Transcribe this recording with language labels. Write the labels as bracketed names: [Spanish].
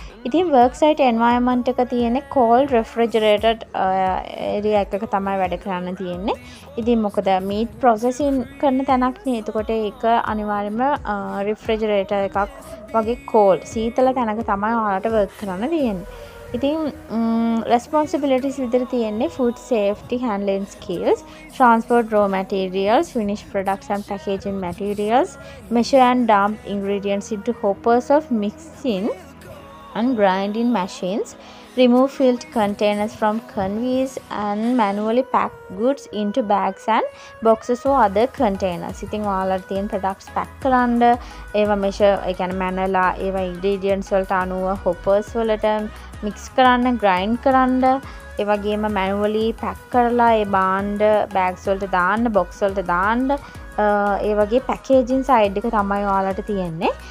[Sinhala] ඉතින් [English] work site environment [Sinhala] එක තියෙන්නේ [English] cold refrigerated area [Sinhala] එකක තමයි වැඩ කරන්න තියෙන්නේ. ඉතින් මොකද [English] meat processing [Sinhala] කරන තැනක් නේ. එතකොට ඒක අනිවාර්යයෙන්ම refrigerator එකක් වගේ cold සීතල තැනක තමයි ඔයාලට work කරන්න තියෙන්නේ. ඉතින් [English] responsibilities [Sinhala] විතර තියෙන්නේ [English] food safety handling skills, transport raw materials, finished products and packaging materials, measure and dump ingredients into hoppers of mixing and grinding machines, remove filled containers from conveyors and manually pack goods into bags and boxes or other containers. [Sinhala] ඉතින් ඔයාලා තියෙන [English] products pack [Sinhala] කරන්න, ඒවා measure, ඒ කියන්නේ manually ඒවා ingredients වලට අනුව hoppers වලට mix කරන්න, grind කරන්න, ඒ වගේම manually pack කරලා ඒ බාණ්ඩ bags වලට දාන්න, box වලට දාන්න, ඒ වගේ [English] packaging side [Sinhala] එක තමයි ඔයාලට තියෙන්නේ.